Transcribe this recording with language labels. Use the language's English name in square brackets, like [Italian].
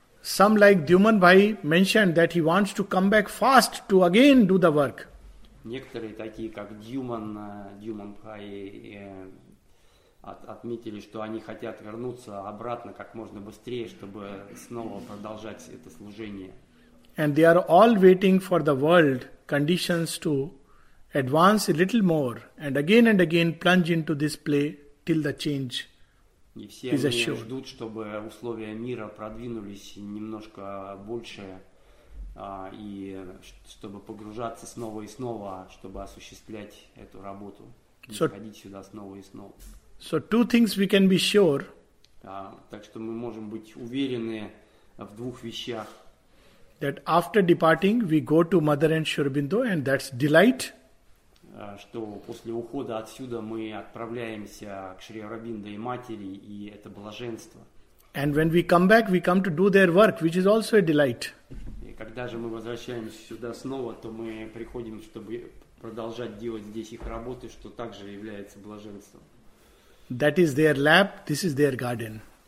[English] Some, like Dhyuman Bhai, mentioned that he wants to come back fast to again do the work. [Russian] Некоторые, такие как Dhyuman Bhai, отметили, что они хотят вернуться обратно как можно быстрее, чтобы снова продолжать это служение. [English] And they are all waiting for the world conditions to advance a little more and again plunge into this play till the change is assured. [Russian] И все они ждут, чтобы условия мира продвинулись немножко больше, и чтобы погружаться снова и снова, чтобы осуществлять эту работу, приходить сюда снова и снова. [English] So two things we can be sure. [Russian] Так что мы можем быть уверены в двух вещах. [English] That after departing we go to Mother and Shurbindo, and that's delight. [Russian] Что после ухода отсюда мы отправляемся к Шри Аурабиндо и матери, и это блаженство. [English] And when we come back, we come to do their work, which is also a delight. [Russian] И когда же мы возвращаемся сюда снова, то мы приходим, чтобы продолжать делать здесь их работы, что также является блаженством. [English] That is their lap, this is their garden.